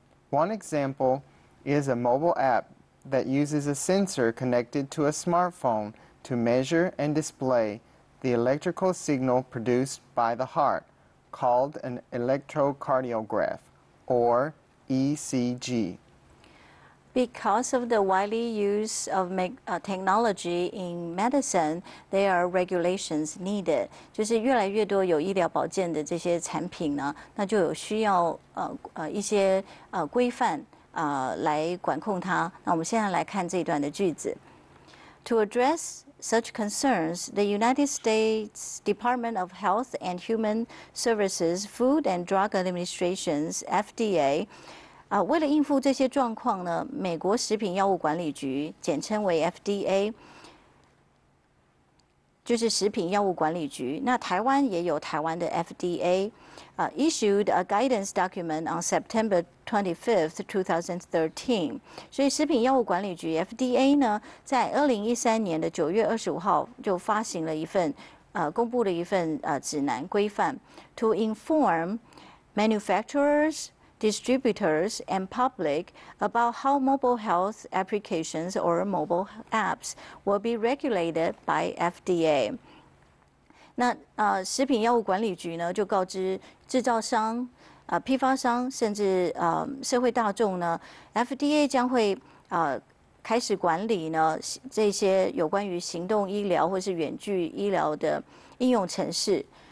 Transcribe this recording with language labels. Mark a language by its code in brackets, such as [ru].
[en] One example is a mobile app that uses a sensor connected to a smartphone to measure and display the electrical signal produced by the heart, called an electrocardiograph, or ECG. Because of the widely use of technology in medicine, there are regulations needed. [zh] 就是越来越多有医疗保健的这些产品呢，那就有需要一些规范来管控它。那我们现在来看这一段的句子。 [en] To address such concerns, the United States Department of Health and Human Services, Food and Drug Administration's FDA. [zh] 为了应付这些状况呢，美国食品药物管理局，简称为 FDA， 就是食品药物管理局。那台湾也有台湾的 FDA， [en] issued a guidance document on September 25th, 2013。 [zh] 所以食品药物管理局 FDA 呢，在2013年的9月25号就发行了一份，公布了一份指南规范 ， [en] to inform manufacturers. Distributors and public about how mobile health applications or mobile apps will be regulated by FDA. [zh] 那食品药物管理局呢，就告知制造商、批发商，甚至社会大众呢 ，FDA 将会开始管理呢这些有关于行动医疗或是远距医疗的应用程式。